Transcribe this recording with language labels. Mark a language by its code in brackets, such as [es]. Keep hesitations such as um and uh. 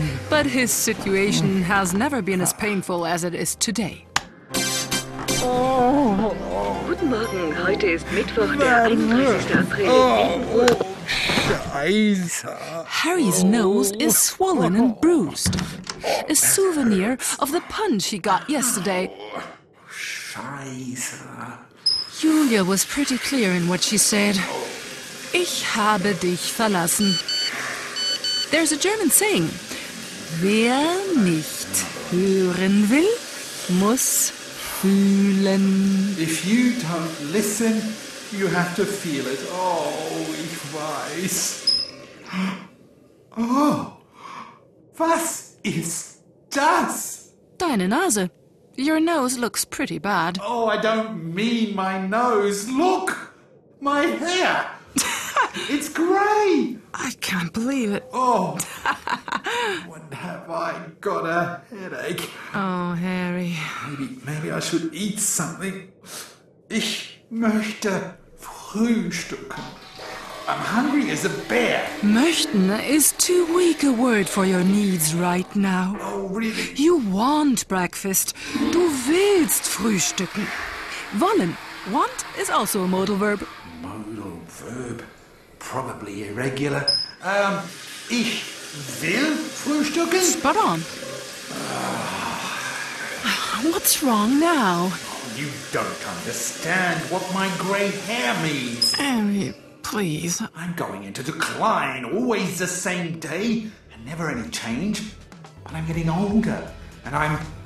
[en] But his situation has never been as painful as it is today. Oh, oh, oh. [de] Guten Morgen, heute ist Mittwoch, der 31. [en] April. Harry's oh. nose is swollen and bruised. A oh, souvenir hurts. of the punch he got yesterday. Oh, [de] scheiße. [en] Julia was pretty clear in what she said. [de] Ich habe dich verlassen. [en] There's a German saying. [de] Wer nicht hören will, muss fühlen. [en] If you don't listen, you have to feel it. [de] Oh, ich weiß. Oh, was ist das? Deine Nase. [en] Your nose looks pretty bad. Oh, I don't mean my nose. Look, my hair. it's grey. I can't believe it. Oh, when have I got a headache? Oh, Harry. Maybe, maybe I should eat something. [de] Ich möchte Frühstücken. [en] I'm hungry as a bear. Möchten is too weak a word for your needs right now. Oh, really? You want breakfast. [de] Du willst frühstücken. Wollen. [en] Want is also a modal verb. Modal verb? Probably irregular. [de] Um, ich will frühstücken. [en] Spot on. What's wrong now? you don't understand what my gray hair means. Harry, please. I'm going into decline, always the same day, and never any change. But I'm getting older, and I'm.